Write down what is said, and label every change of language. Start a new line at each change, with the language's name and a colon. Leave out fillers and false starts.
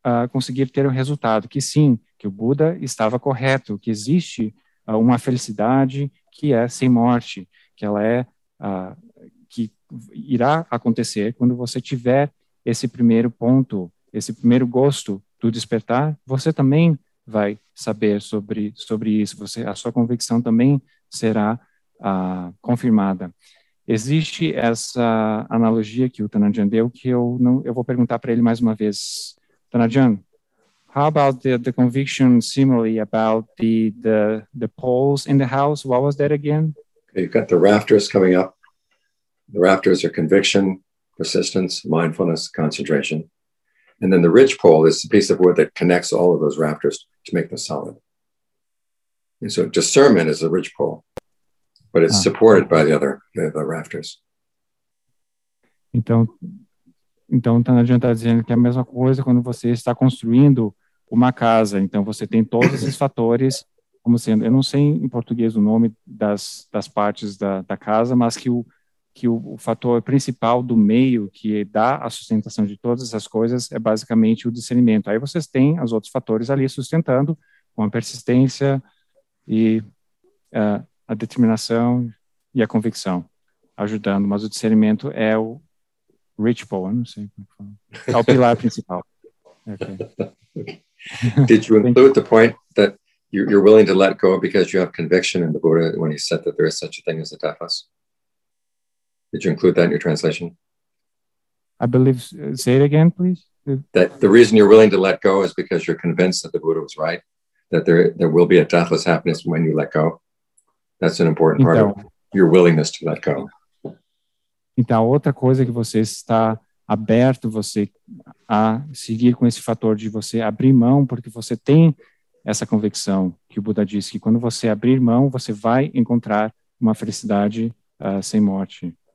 Portuguese: conseguir ter um resultado, que sim, que o Buda estava correto, que existe uma felicidade que é sem morte, que ela é, que irá acontecer quando você tiver esse primeiro ponto, esse primeiro gosto do despertar, você também vai saber sobre isso, a sua convicção também será confirmada. Existe essa analogia que o Tanajan deu, que eu vou perguntar para ele mais uma vez.
English: Tanajan, how about the conviction simile about the poles in the house? What was that again? Okay, you've got the rafters coming up. The rafters are conviction, persistence, mindfulness, concentration. And then the ridge pole is the piece of wood that connects all of those rafters to make them solid. And so discernment is the ridge pole, but it's supported by the rafters.
Portuguese: Então, não adianta dizer que é a mesma coisa quando você está construindo uma casa. Então, você tem todos esses fatores, como sendo, eu não sei em português o nome das partes da casa, mas que o fator principal do meio que dá a sustentação de todas essas coisas é basicamente o discernimento. Aí vocês têm os outros fatores ali sustentando, com a persistência, e a determinação e a convicção, ajudando. Mas o discernimento é o ritual, não sei como falar. É o pilar principal.
English: Okay. Did you include the point that you're willing to let go because you have conviction in the Buddha when he said that there is such a thing as a tapas? Did you include that in your translation? I believe, say it again, please. That the reason you're willing to let go is because you're convinced that the Buddha was right, that there will be a deathless happiness when you let go. That's an important part of your willingness to let go.
Portuguese: Então, outra coisa que você está aberto você a seguir com esse fator de você abrir mão, porque você tem essa convicção que o Buda disse, que quando você abrir mão, você vai encontrar uma felicidade sem morte.